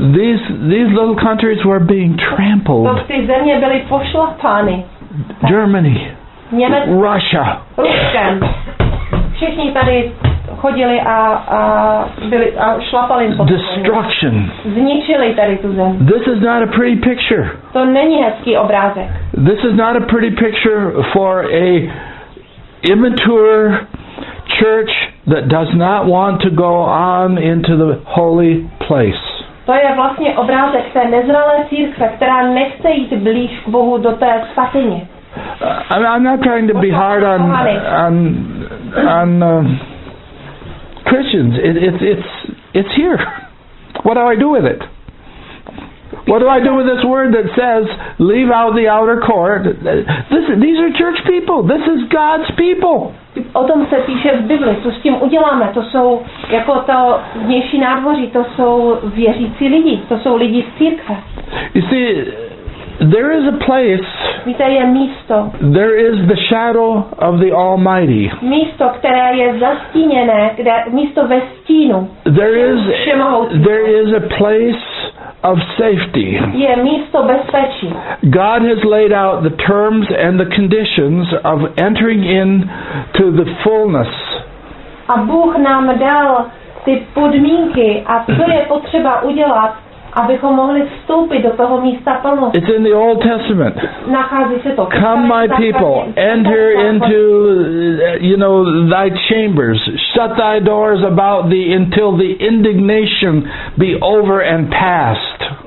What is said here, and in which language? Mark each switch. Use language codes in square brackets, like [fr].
[en] These little countries were being trampled. [cs] To ty země byly pošlapány. [en] Germany. [cs] Německu. [en] Russia. [cs] Ruskem. Všichni tady chodili a šlapali po tom. [en] Destruction. [cs] Zničili tady tu zem. [en] This is not a pretty picture. [cs] To není hezký obrázek. [en] This is not a pretty picture for a immature church that does not want to go on into the holy place. [cs] To je vlastně obrázek té nezralé církve, která nechce jít blíž k Bohu do té svatyně. [en] I'm not trying to be hard on Christians, it's here. What do I do with it? What do I do with this word that says leave out the outer court? These are church people. This is God's people. [cs] O tom se píše v Bibli. Co s tím uděláme? To jsou jako to vnější nádvoří. To jsou věřící lidi. To jsou lidi z církve. [en] You see, there is a place. [cs] Víte, je místo. [en] There is the shadow of the Almighty. [cs] Místo, které je zastíněné, kde místo ve stínu. [en] There is a place of safety. [cs] Je místo bezpečí. [en] God has laid out the terms and the conditions of entering in to the fullness. [cs] A Bůh nám dal ty podmínky, a co je potřeba udělat, abychom mohli vstoupit do toho místa plnosti. [en] It's in the Old Testament. [cs] Nachází se to. [en] Come, my people, enter into, you know, thy chambers. Shut thy doors about thee until the indignation be over and past.